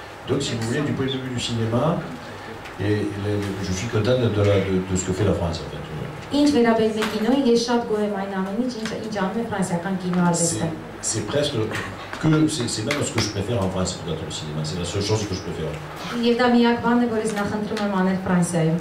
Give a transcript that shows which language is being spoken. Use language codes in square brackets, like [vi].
[fr] Donc si vous voulez du point de vue du cinéma je suis content de ce que fait la France en fait. [hy] Ինչ վերաբերում է կինոյին, ես շատ գոհ եմ այն ամենից, ինչ անում է ֆրանսիական կինոարվեստը։ [fr] C'est presque que c'est même ce que je préfère en France dans le cinéma, c'est la seule chose que je préfère. [hy] Եվ դա միակ բանն է, որ ես նախընտրում եմ անել Ֆրանսիայում։